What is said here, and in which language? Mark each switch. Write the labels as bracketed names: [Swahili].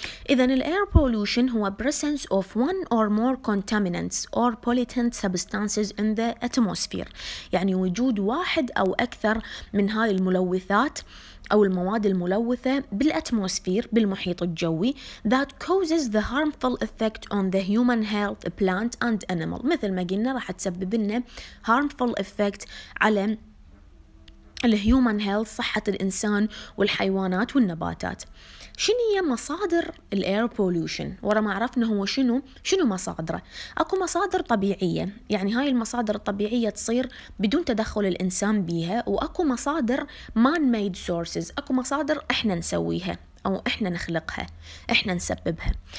[Arabic] إذن الـ air pollution هو [English] presence of one or more contaminants or pollutant substances in the atmosphere، [Arabic] يعني وجود واحد أو أكثر من هاي الملوثات أو المواد الملوثة بالأتموسفير بالمحيط الجوي. [English] that causes the harmful effect on the human health, plant and animal، [Arabic] مثل ما قلنا راح تسبب لنا [English] harmful effect على الـ human health، [Arabic] صحة الإنسان والحيوانات والنباتات. شنو هي مصادر الـ air pollution؟ ورا ما عرفنا هو شنو مصادره؟ أكو مصادر طبيعية، يعني هاي المصادر الطبيعية تصير بدون تدخل الإنسان بيها، وأكو مصادر man-made sources، أكو مصادر إحنا نسويها أو إحنا نخلقها، إحنا نسببها.